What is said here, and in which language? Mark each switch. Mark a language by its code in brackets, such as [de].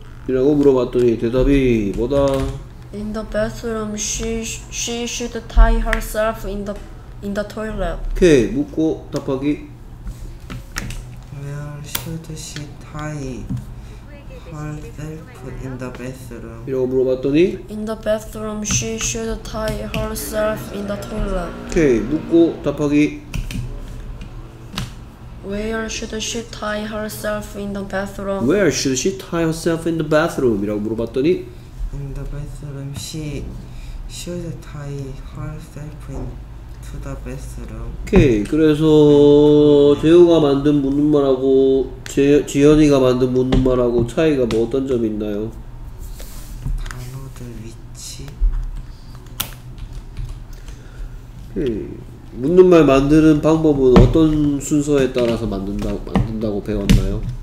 [ko] 이라고 물어봤더니 대답이 뭐다? [en] In the bathroom, she should tie herself in the toilet. [ko] 오케이, 묻고 답하기. [en] Where should she tie herself in the bathroom? [ko] 이라고 물어봤더니 [en] In the bathroom, she should tie herself in the toilet. [ko] 오케이, 묻고 답하기. [en] Where should she tie herself in the bathroom? Where should she tie herself in the bathroom? [ko] 이라고 물어봤더니 [en] In the bathroom, she should tie herself in to the bathroom. [ko] 오케이. 그래서 재우가 만든 묻는말하고 지현이가 만든 묻는말하고 차이가 뭐 어떤 점이 있나요? 단어들 위치. 오케이. 묻는말 만드는 방법은 어떤 순서에 따라서 만든다고 배웠나요?